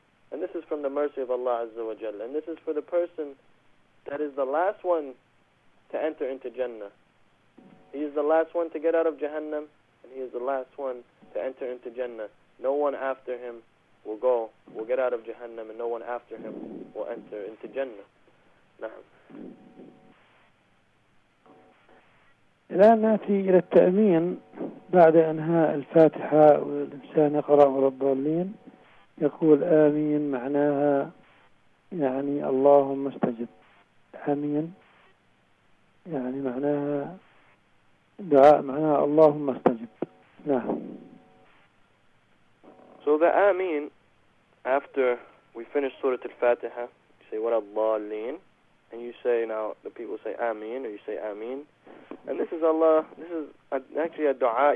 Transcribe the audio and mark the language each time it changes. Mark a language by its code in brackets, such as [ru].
[en] And this is from the mercy of Allah azza wa jalla. And this is for the person that is the last one to enter into Jannah. He is the last one to get out of Jahannam, and he is the last one to enter into Jannah. No one after him will go, will get out of Jahannam, and no one after him will enter into Jannah. [ar] Naam. الآن نأتي إلى التأمين بعد أنهاء الفاتحة والإنسان يقرأ رب العالمين يقول آمين معناها يعني اللهم استجب آمين يعني معناها دعاء معناها اللهم استجب نعم [en] So the Ameen, after we finish Surah Al-Fatiha, you say, what Allah lean? And you say, now the people say, Ameen, or you say, Ameen. And this is Allah, this is actually a dua.